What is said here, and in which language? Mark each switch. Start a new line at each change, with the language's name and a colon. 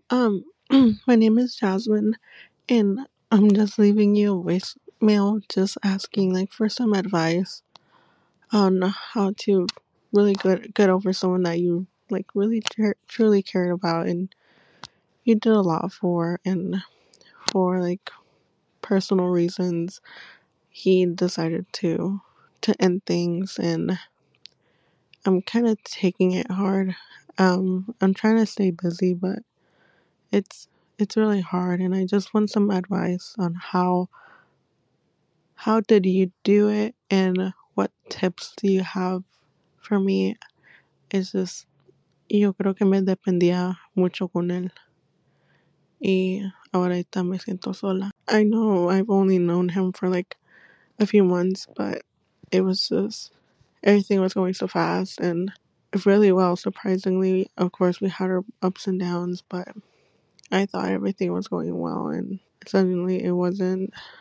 English: My name is Jasmine, and I'm just leaving you a voicemail just asking like for some advice on how to really get over someone that you like really truly cared about and you did a lot for, and for like personal reasons he decided to end things, and I'm kind of taking it hard. I'm trying to stay busy, but it's really hard, and I just want some advice on how did you do it and what tips do you have. For me, it's just,
Spanish: yo creo que me dependía mucho con él. Y ahorita me siento sola.
English: I know I've only known him for like a few months, but it was just, everything was going so fast and really well, surprisingly. Of course, we had our ups and downs, but I thought everything was going well and suddenly it wasn't.